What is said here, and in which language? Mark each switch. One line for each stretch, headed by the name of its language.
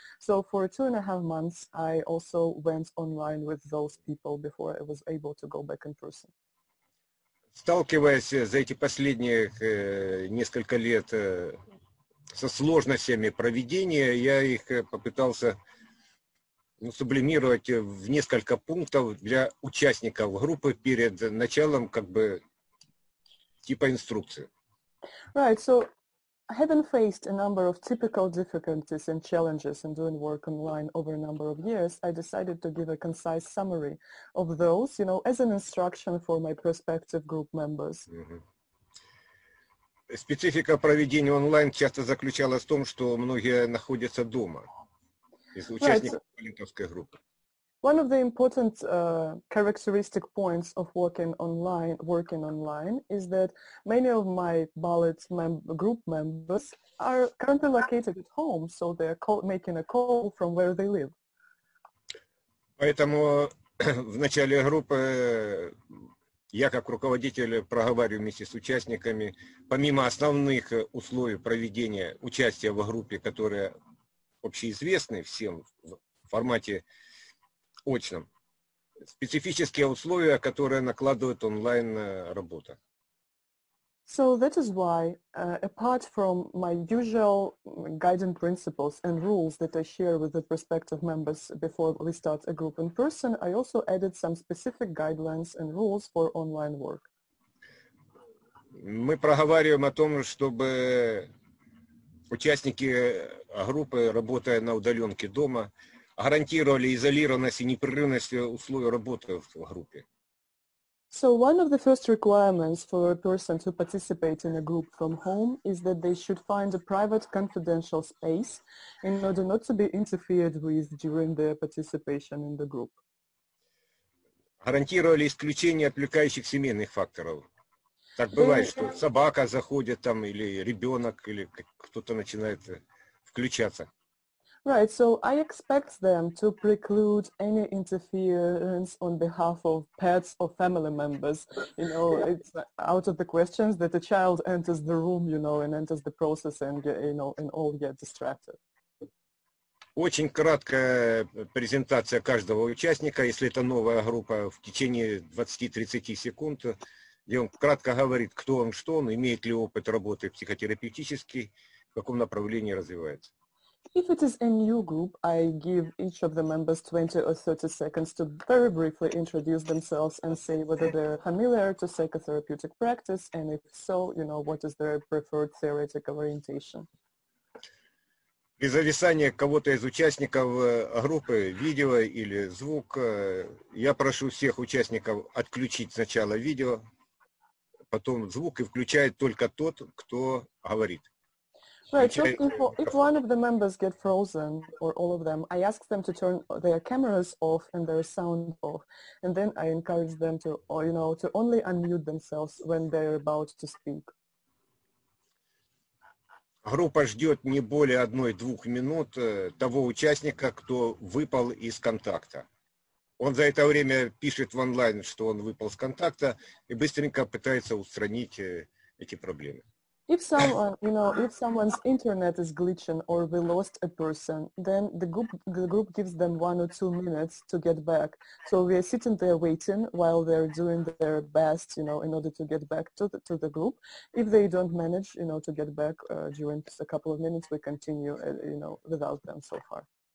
English: So for 2.5 months, I also went online with those people before I was able to go back in person.
Russian: Сталкиваясь за эти последние несколько лет со сложностями проведения, я их попытался сублимировать в несколько пунктов для участников группы перед началом как бы типа инструкции.
English: Right, so having faced a number of typical difficulties and challenges in doing work online over a number of years, I decided to give a concise summary of those, you know, as an instruction for my prospective group members. Mm-hmm.
Russian: Специфика проведения онлайн часто заключалась в том, что многие находятся дома из участников балентовской группы.
English: One of the important characteristic points of working online is that many of my Balint group members are currently located at home, so they're making a call from where they live.
Russian: Поэтому в начале группы я как руководитель проговариваю вместе с участниками, помимо основных условий проведения участия в группе, которые общеизвестны всем в формате очном, специфические условия, которые накладывают онлайн работа.
English: So that is why, apart from my usual guiding principles and rules that I share with the prospective members before we start a group in person, I also added some specific guidelines and rules for online work.
Russian: Мы проговариваем о том, чтобы участники группы, работая на удаленке дома, гарантировали изолированность и непрерывность условий работы в группе.
English: So one of the first requirements for a person to participate in a group from home is that they should find a private confidential space in order not to be interfered with during their participation in the group.
Russian: Гарантировали исключение отвлекающих семейных факторов. Так бывает, что собака заходит там, или ребенок, или кто-то начинает включаться.
English: Right, so I expect them to preclude any interference on behalf of pets or family members. You know, it's out of the questions that a child enters the room, you know, and enters the process and, you know, and all get distracted.
Russian: Очень краткая презентация каждого участника, если это новая группа, в течение 20-30 секунд, где он кратко говорит, кто он, что он, имеет ли опыт работы психотерапевтический, в каком направлении развивается.
English: If it is a new group, I give each of the members 20 or 30 seconds to very briefly introduce themselves and say whether they're familiar to psychotherapeutic practice, and if so, you know, what is their preferred theoretical orientation.
Russian: При зависании кого-то из участников группы, видео или звук, я прошу всех участников отключить сначала видео, потом звук, и включает только тот, кто говорит.
English: Right, so if one of the members get frozen, or all of them, I ask them to turn their cameras off and their sound off, and then I encourage them to, you know, to only unmute themselves when they're about to speak.
Russian: Группа ждет не более 1-2 минут того участника, кто выпал из контакта. Он за это время пишет в онлайн, что он выпал из контакта, и быстренько пытается устранить эти проблемы.
English: If someone, you know, if someone's internet is glitching or we lost a person, then the group gives them 1 or 2 minutes to get back. So we are sitting there waiting while they're doing their best, you know, in order to get back to the group. If they don't manage, you know, to get back during just a couple of minutes, we continue, you know, without them so far.